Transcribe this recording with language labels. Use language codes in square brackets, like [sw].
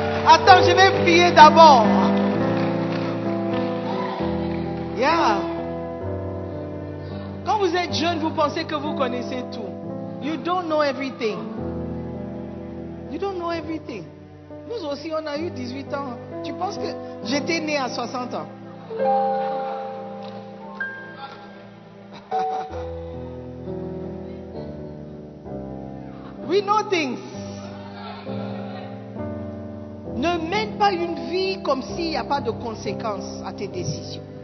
[fr] Attends, je vais prier d'abord. [en] Yeah. [fr] Quand vous êtes jeune, vous pensez que vous connaissez tout. [en] You don't know everything. You don't know everything. [fr] Nous aussi, on a eu 18 ans. Tu penses que j'étais née à 60 ans? [en] We know things. [fr] Ne mène pas une vie comme s'il n'y a pas de conséquences à tes décisions.